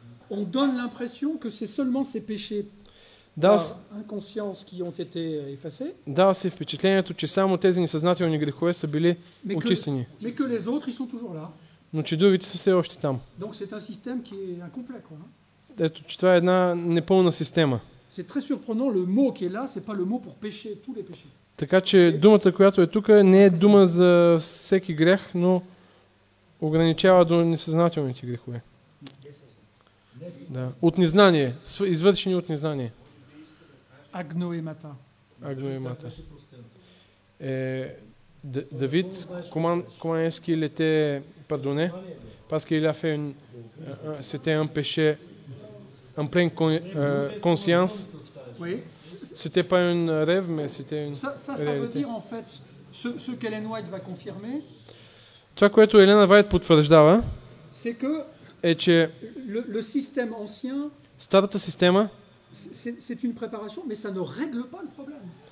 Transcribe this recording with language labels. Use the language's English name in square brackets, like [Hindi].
[French] On donne l'impression que c'est seulement ces péchés inconscience qui ont été effacés. [Bulgarian] Да, се впечатлението, че само тези несъзнателни грехове са били очистени. [French] Mais que les autres, ils sont toujours là. [Bulgarian] Но че другите са все още там. [French] Donc c'est un système qui est incomplet, quoi. [Bulgarian] Ето, че това е една непълна система. [French] C'est très surprenant le mot qui est là, c'est pas le mot pour pécher tous les péchés. [Bulgarian] Така че думата, която е тук, не е дума за всеки грех, но ограничава до несъзнателните грехове. Да. От незнание, извършени от незнание. Агноемата. Агноемата. [French] Давид, comment est-ce qu'il était pardonné? Parce qu'il a fait c'était un péché en pleine conscience. Oui. C'était pas un rêve, mais c'était une réalité. Ça veut dire en fait ce qu'Ellen White va confirmer. [Bulgarian] Това, което Елена Вайт потвърждава, [French] c'est que le système ancien, [Bulgarian] старата система, [French] c'est une préparation, mais ça ne règle pas le problème.